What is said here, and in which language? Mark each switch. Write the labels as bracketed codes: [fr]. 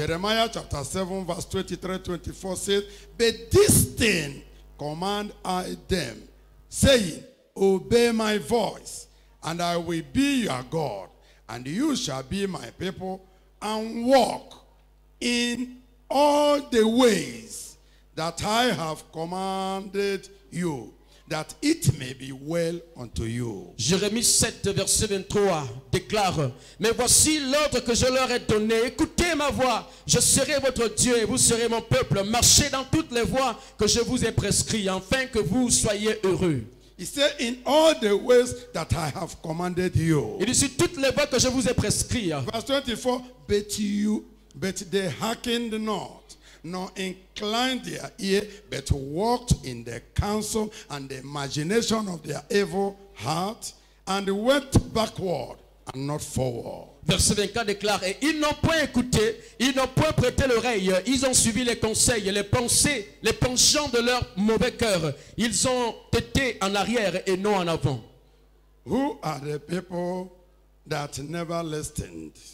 [en] Jeremiah chapter 7, verse 23-24 says, but this thing command I them, saying, obey my voice, and I will be your God, and you shall be my people, and walk in all the ways that I have commanded you, that it may be well unto you. [fr] Jérémie 7, verset 23 déclare, mais voici l'ordre que je leur ai donné. Écoutez ma voix, je serai votre Dieu et vous serez mon peuple. Marchez dans toutes les voies que je vous ai prescrites, afin que vous soyez heureux. [en] He said, in all the ways that I have commanded you. [fr] Il dit, sur toutes les voies que je vous ai prescrites. [en] Verse 24, but they hearkened not, nor inclined their ear, but walked in the counsel and the imagination of their evil heart, and went backward and not forward. [fr] Verset 24 déclare, et ils n'ont point écouté, ils n'ont point prêté l'oreille, ils ont suivi les conseils, les pensées, les penchants de leur mauvais cœur. Ils ont été en arrière et non en avant. [en] Who are the people that never listened?